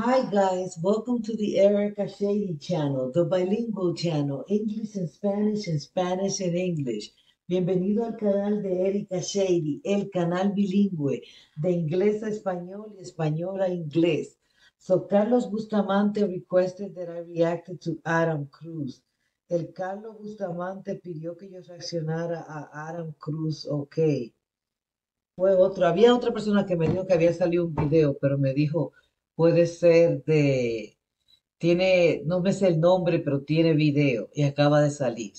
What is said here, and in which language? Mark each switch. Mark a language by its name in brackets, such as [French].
[English] guys, welcome to the Eric Ashady channel, the bilingual channel, English and Spanish and English. [Spanish] Bienvenido al canal de Eric Ashady, el canal bilingüe de inglés a español y español a inglés. [English] So Carlos Bustamante requested that I reacted to Adam Cruz. [Spanish] El Carlos Bustamante pidió que yo reaccionara a Adam Cruz, okay. Fue otro, había otra persona que me dijo que había salido un video, pero me dijo, puede ser de, tiene, no me sé el nombre, pero tiene video y acaba de salir.